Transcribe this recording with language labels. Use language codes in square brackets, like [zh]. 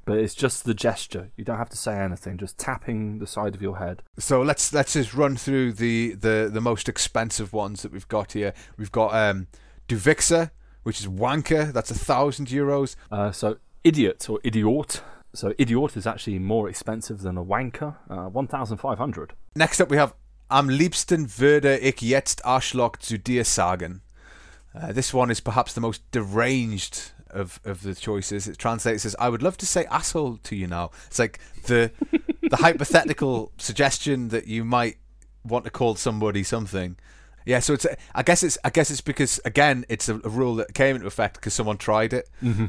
[en] But it's just the gesture. You don't have to say anything, just tapping the side of your head. So let's just run through the most expensive ones that we've got here. We've got Du Wichser, which is wanker. That's €1,000. So idiot or idiot. So idiot is actually more expensive than a wanker. 1,500. Next up we have [de] Am liebsten würde ich jetzt Arschloch zu dir sagen. [en] This one is perhaps the most deranged of the choices. It translates as, I would love to say asshole to you now. It's like the hypothetical suggestion that you might want to call somebody something. Yeah, so I guess it's because, again, it's a rule that came into effect because someone tried it. Mm-hmm.